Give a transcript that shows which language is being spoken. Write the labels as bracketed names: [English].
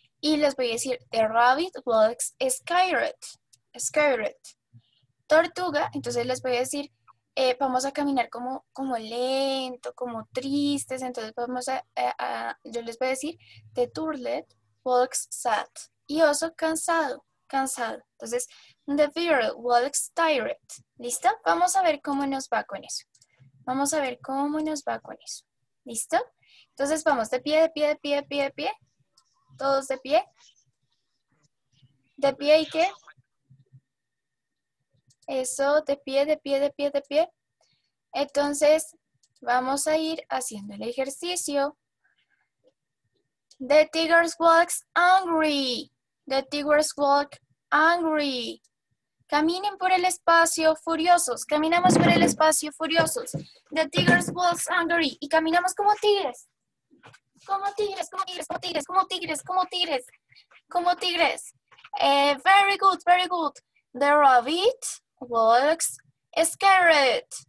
[Spanish] Y les voy a decir, [English] the rabbit walks scared. Scared. [Spanish] Tortuga, entonces les voy a decir, vamos a caminar como lento, como tristes. Entonces vamos yo les voy a decir, [English] the turtle walks sad. [Spanish] Y oso, cansado, cansado. [English] Entonces, the beetle walks tired. [Spanish] ¿Listo? Vamos a ver cómo nos va con eso. Vamos a ver cómo nos va con eso. ¿Listo? Entonces, vamos de pie, de pie, de pie, de pie, de pie. Todos de pie. ¿De pie y qué? Eso, de pie, de pie, de pie, de pie. Entonces, vamos a ir haciendo el ejercicio. [English] The tiger walks angry. The tigers walk angry. [Spanish] Caminen por el espacio furiosos. Caminamos por el espacio furiosos. [English] The tigers walk angry. [Spanish] Y caminamos como tigres. Como tigres, como tigres, como tigres, como tigres, como tigres. Como tigres. [English] Very good, very good. The rabbit walks scared.